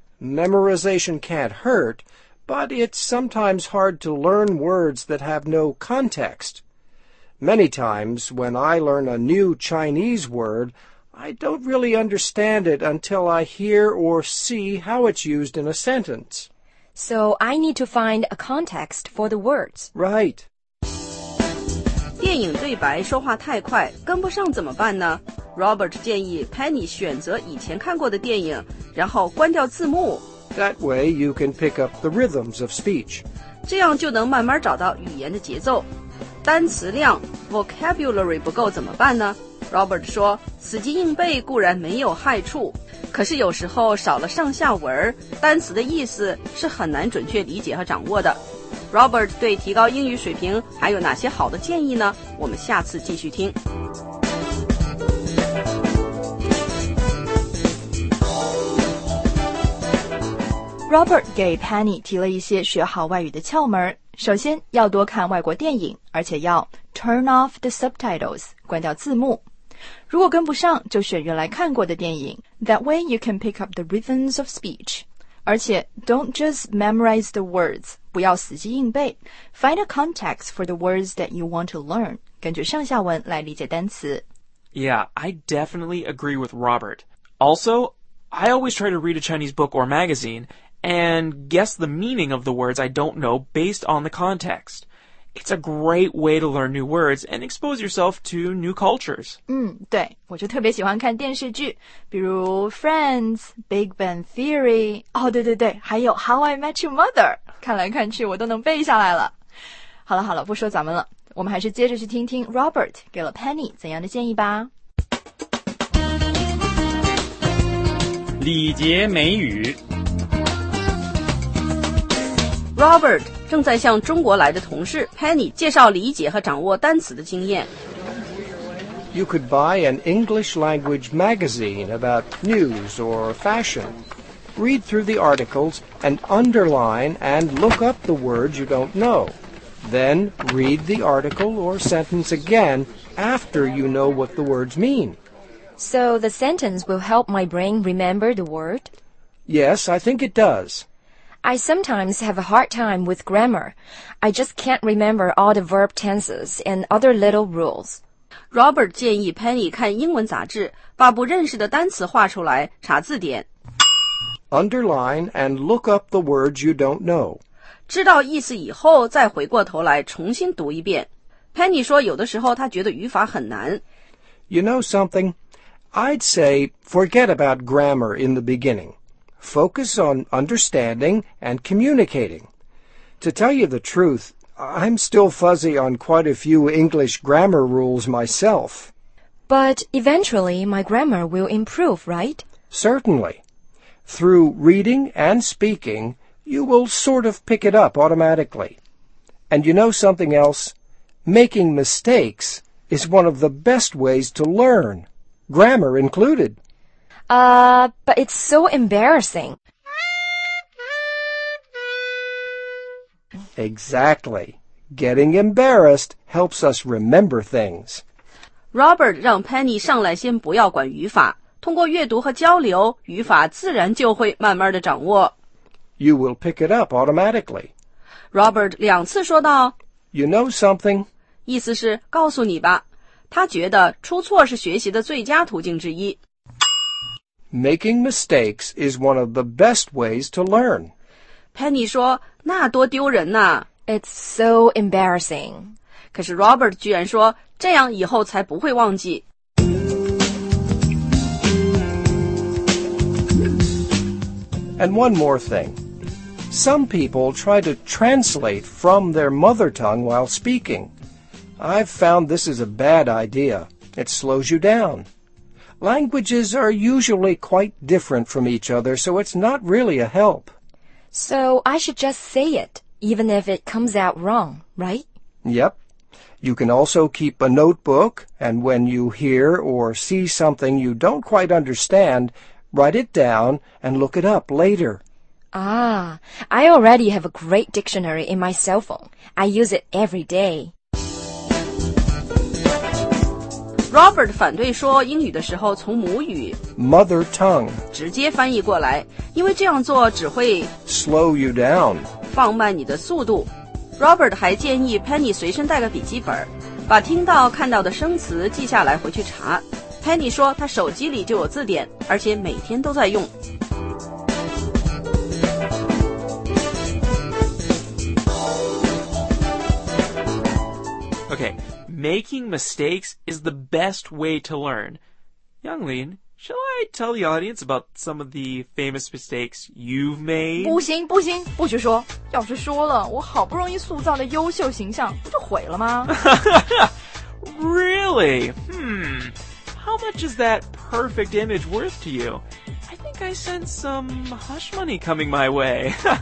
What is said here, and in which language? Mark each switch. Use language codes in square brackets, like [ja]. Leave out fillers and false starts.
[en] Memorization can't hurt, but it's sometimes hard to learn words that have no context. Many times, when I learn a new Chinese word, I don't really understand it until I hear or see how it's used in a sentence. So I need to find a context for the words. Right. [zh] 电影对白说话太快，跟不上怎么办呢？ Robert 建议 Penny 选择以前看过的电影，然后关掉字幕。 [en] That way you can pick up the rhythms of speech. [zh] 这样就能慢慢找到语言的节奏。单词量 vocabulary 不够怎么办呢？ Robert 说，死记硬背固然没有害处，可是有时候少了上下文，单词的意思是很难准确理解和掌握的。 Robert 对提高英语水平还有哪些好的建议呢？我们下次继续听。 Robert 给 Penny 提了一些学好外语的窍门。首先，要多看外国电影，而且要 [en] turn off the subtitles, [zh] 关掉字幕。如果跟不上，就选原来看过的电影。 [en] That way you can pick up the rhythms of speech. [zh] 而且 [en] don't just memorize the words, [zh] 不要死记硬背。 [en] Find a context for the words that you want to learn, [zh] 根据上下文来理解单词。 [en] Yeah, I definitely agree with Robert. Also, I always try to read a Chinese book or magazine,and guess the meaning of the words I don't know based on the context. It's a great way to learn new words and expose yourself to new cultures. [zh] 对，我就特别喜欢看电视剧，比如 Friends, Big Bang Theory, 哦，对对对，还有 How I Met Your Mother, 看来看去我都能背下来了。好了好了，不说咱们了，我们还是接着去听听 Robert 给了 Penny 怎样的建议吧。李杰美语 Robert 正在向中国来的同事 Penny 介绍理解和掌握单词的经验。 [en] You could buy an English language magazine about news or fashion. Read through the articles and underline and look up the words you don't know. Then read the article or sentence again after you know what the words mean. So the sentence will help my brain remember the word? Yes, I think it does. I sometimes have a hard time with grammar. I just can't remember all the verb tenses and other little rules. [zh] Robert 建议 Penny 看英文杂志，把不认识的单词画出来，查字典。 [en] Underline and look up the words you don't know. [zh] 知道意思以后，再回过头来重新读一遍。 Penny 说有的时候他觉得语法很难。 [en] You know something? I'd say forget about grammar in the beginning. Focus on understanding and communicating. To tell you the truth, I'm still fuzzy on quite a few English grammar rules myself. But eventually my grammar will improve, right? Certainly. Through reading and speaking, you will sort of pick it up automatically. And you know something else? Making mistakes is one of the best ways to learn, grammar included. But it's so embarrassing. Exactly. Getting embarrassed helps us remember things. [zh] Robert 让 Penny 上来先不要管语法，通过阅读和交流，语法自然就会慢慢的掌握。 [en] You will pick it up automatically. [zh] Robert 两次说道， [en] You know something? [zh] 意思是告诉你吧。他觉得出错是学习的最佳途径之一。 [en] Making mistakes is one of the best ways to learn. [zh] Penny 说，那多丢人呐。 [en] It's so embarrassing. [zh] 可是 Robert 居然说，这样以后才不会忘记。 [en] And one more thing. Some people try to translate from their mother tongue while speaking. I've found this is a bad idea. It slows you down. Languages are usually quite different from each other, so it's not really a help. So I should just say it, even if it comes out wrong, right? Yep. You can also keep a notebook, and when you hear or see something you don't quite understand, write it down and look it up later. Ah, I already have a great dictionary in my cell phone. I use it every day. [zh] Robert 反对说英语的时候从母语 [en] Mother tongue [zh] 直接翻译过来，因为这样做只会 [en] Slow you down [zh] 放慢你的速度。 Robert 还建议 Penny 随身带个笔记本，把听到看到的生词记下来回去查。 Penny 说他手机里就有字典，而且每天都在用。 [en] Making mistakes is the best way to learn. Yanglin, shall I tell the audience about some of the famous mistakes you've made? [zh] 不行不行，不许说。要是说了，我好不容易塑造的优秀形象不就毁了吗？ [en] Really? How much is that perfect image worth to you? I think I sent some hush money coming my way.